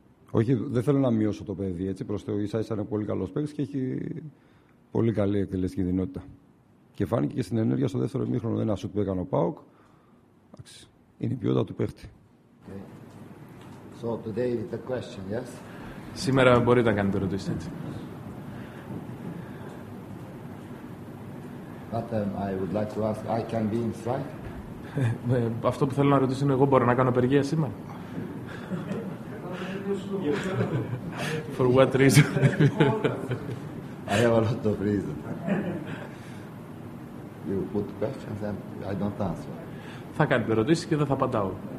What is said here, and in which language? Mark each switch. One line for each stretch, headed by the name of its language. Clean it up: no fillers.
Greek: Όχι, δεν θέλω να μειώσω το παιδί. Έτσι, προς το ίσα ίσα είναι πολύ καλός παίχτης και έχει πολύ καλή εκτελεστική δυνότητα. Και φάνηκε και στην ενέργεια στο δεύτερο ημίχρονο, δεν ασούτ που έκανε ο ΠΑΟΚ. Είναι η ποιότητα του παίχτη.
English: Okay. So today is the question, yes?
Greek: Σήμερα μπορείτε να κάνετε ερωτήσεις, έτσι.
English: But I would like to ask, I can be inside?
Greek: Αυτό που θέλω να ρωτήσω είναι, εγώ μπορώ να κάνω απεργία σήμερα?
English: For what reason? I have a lot of reason. You put questions and I don't answer.
Greek: Θα κάνετε ερωτήσεις και δεν θα απαντάω.